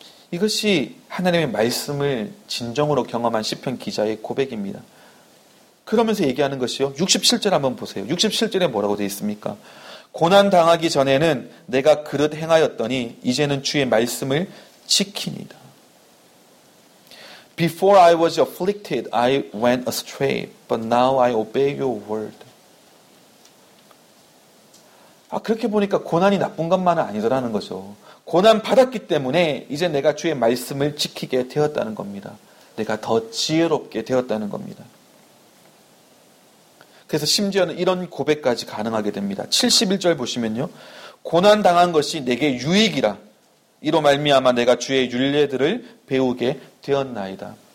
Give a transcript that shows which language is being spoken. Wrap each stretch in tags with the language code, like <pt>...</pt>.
<ko>이것이 하나님의 말씀을 진정으로 경험한 시편 기자의 고백입니다. 그러면서 얘기하는 것이요, 67절 한번 보세요. 67절에 뭐라고 되어 있습니까? 고난당하기 전에는 내가 그릇 행하였더니 이제는 주의 말씀을 지킵니다.</ko> <en>Before I was afflicted, I went astray, but now I obey your word.</en> <ko>아, 그렇게 보니까 고난이 나쁜 것만은 아니더라는 거죠. 고난 받았기 때문에 이제 내가 주의 말씀을 지키게 되었다는 겁니다. 내가 더 지혜롭게 되었다는 겁니다. 그래서 심지어는 이런 고백까지 가능하게 됩니다. 71절 보시면요, 고난 당한 것이 내게 유익이라, 이로 말미암아 내가 주의 율례들을 배우게 되었나이다.</ko>